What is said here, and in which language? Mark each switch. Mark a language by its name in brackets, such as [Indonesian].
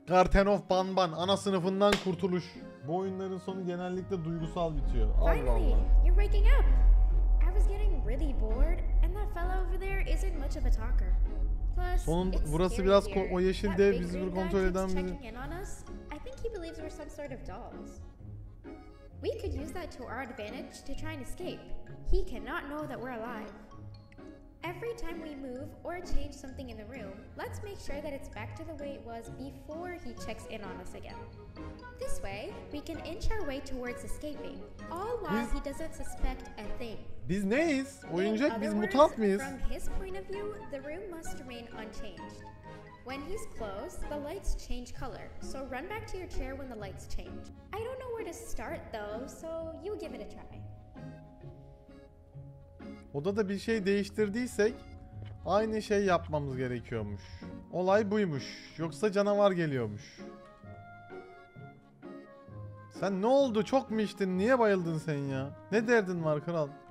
[Turkish] Garten of Banban, ana sınıfından kurtuluş. Bu oyunların sonu genellikle duygusal bitiyor. Allah Allah. Sonun burası biraz o yeşil dev bizi bir kontrol eden biri. [English] I think he believes we're some sort of dolls. We could use that to our advantage to try and escape. He cannot know that we're alive. Every time we move or change something in the room, let's make sure that it's back to the way it was before he checks in on us again. This way, we can inch our way towards escaping, all while he doesn't suspect a thing. [Turkish] Biz neyiz? Oyuncak biz, mutant mıyız? [English] From his point of view, the room must remain unchanged. When he's close, the lights change color, so run back to your chair when the lights change. I don't know where to start though, so you give it a try. [Turkish] Odada bir şey değiştirdiysek aynı şey yapmamız gerekiyormuş. Olay buymuş. Yoksa canavar geliyormuş. Sen ne oldu? Çok mu içtin? Niye bayıldın sen ya? Ne derdin var kral?